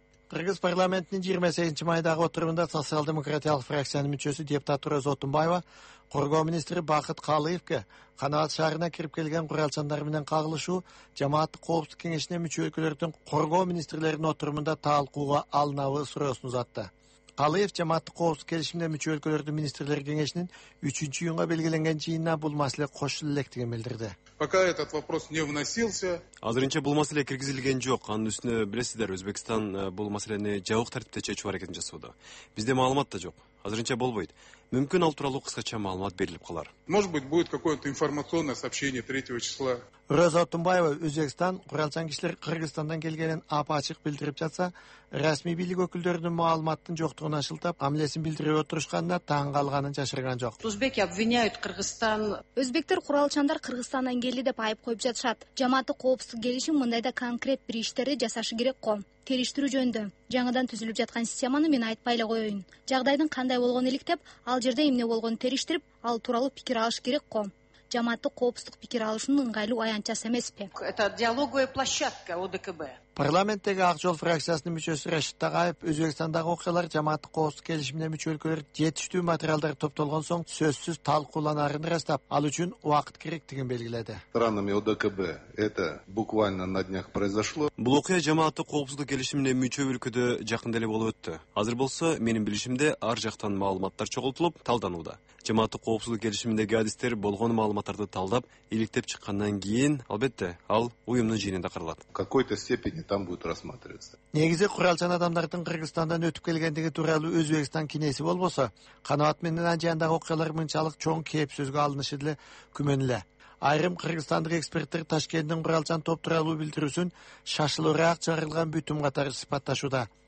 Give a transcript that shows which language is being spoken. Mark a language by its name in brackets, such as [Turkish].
[Kyrgyz] Кыргыз парламентинин 28 майдагы отурумунда социал демократиялык фракциянын мүчөсү депутат Роза Отунбаева коргоо министри Бакыт Каалыевке Канабат шаарына кирип келген куралчандар менен кагылышуу жамааттык коопсуздук кеңешине мүчө өлкөлөрдүн коргоо министрлеринин отурумунда талкууга алынабы суроосун узатты. Каалыев жамааттык коопсуздук келишимине мүчө өлкөлөрдүн министрлер кеңешинин 3 июнга белгиленген жыйынына бул маселе кошулуп электигин билдирди. [Russian] Пока этот вопрос не вносился. [Kyrgyz] Азырынча бул маселе киргизилген жок. Анын үстүнө билесиздер, Өзбекстан бул маселени жабык тартипте чечүү аракетин жасоодо. Бизде маалымат да жок. Азырынча болбойт. Мүмкүн ал тууралуу кыскача маалымат берилип калар. [Russian] Может быть, будет какое-то информационное сообщение 3-го числа. [Kyrgyz] Роза Отунбаева Өзбекстан куралчан кишилер Кыргызстандан келгенин ап-ачык билдирип жатса, расмий бийлик өкүлдөрүнүн маалыматтын жоктугуна шылтап, амилесин билдирип отурушканына таң калганын жашырган жок. [Russian] Узбеки обвиняют Кыргызстан. [Kyrgyz] Өзбектер куралчандар Кыргызстандан келди деп айып коюп жатышат. Жамааттык коопсуздук келишим мындайда конкрет бир иштерди жасашы керек го. Териштирүү жөнүндө жаңыдан түзүлүп жаткан системаны мен айтпай эле коеюн. Жагдайдын кандай болгонун иликтеп, ал жерде эмне болгонун териштирип, ал тууралуу пикир алыш керек го. Жамааттык коопсуздук пикир алышынын ыңгайлуу аянтчасы эмеспи? [Russian] Это диалоговая площадка ОДКБ. [Kyrgyz] Парламенттеги Ак жол фракциясынын мүчөсү Рашид Тагаев Өзбекстандагы окуялар жамааттык коопсуздук келишимине мүчө өлкөлөр жетиштүү материалдар топтолгон соң сөзсүз талкууланарын ырастап, ал үчүн убакыт керектигин белгиледи. [Russian] Странами ОДКБ это буквально на днях произошло. [Kyrgyz] Бул окуя жамааттык коопсуздук келишимине мүчө өлкөдө жакында эле болуп өттү. Азыр болсо менин билишимде ар жактан маалыматтар чогултулуп талданууда. Жамааттык коопсуздук келишиминдеги адистер болгон маалыматтарды талдап, иликтеп чыккандан кийин албетте ал уюмдун жыйынында карылат. [Russian] Какой-то степени там будет рассматриваться. [Kyrgyz] Негизи куралчан адамдардын Кыргызстандан өтүп келгендиги тууралуу Өзбекстан кинеси болбосо, канаат менен Анжиандагы окуялар мынчалык чоң кепсөзгө алынышы деле күмөн эле. Айрым кыргызстандык эксперттер Ташкенттин куралчан топ тууралуу билдирүүсүн шашылыраак чыгарылган бүтүм катары сыпатташууда.